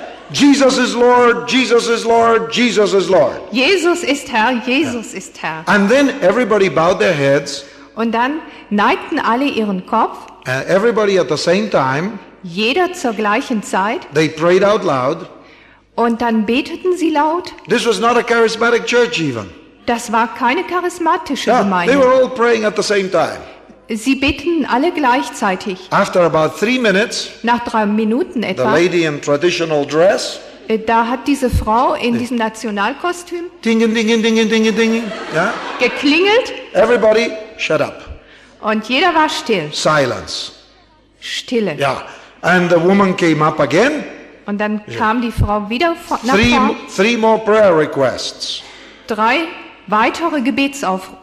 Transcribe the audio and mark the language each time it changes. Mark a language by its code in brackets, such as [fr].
[en] Jesus is Lord, Jesus is Lord, Jesus is Lord. [de] Jesus ist Herr, Jesus ist Herr. [en] And then everybody bowed their heads. [de] Und dann neigten alle ihren Kopf. [en] Everybody at the same time. [de] Jeder zur gleichen Zeit. [en] They prayed out loud. [de] Und dann beteten sie laut. [en] This was not a charismatic church even. [de] Das war keine charismatische Gemeinde. [en] They were all praying at the same time. [de] Sie beteten alle gleichzeitig. [en] After about 3 minutes, [de] nach 3 Minuten etwa, [en] the lady in traditional dress, [de] da hat diese Frau in diesem Nationalkostüm geklingelt. [en] Everybody shut up. [de] Und jeder war still. [en] Silence. [de] Stille. [en] Yeah. And the woman came up again. [de] Und dann kam die Frau wieder nach vorne. [en] Three more prayer requests. [de] Drei weitere Gebetsaufrufe.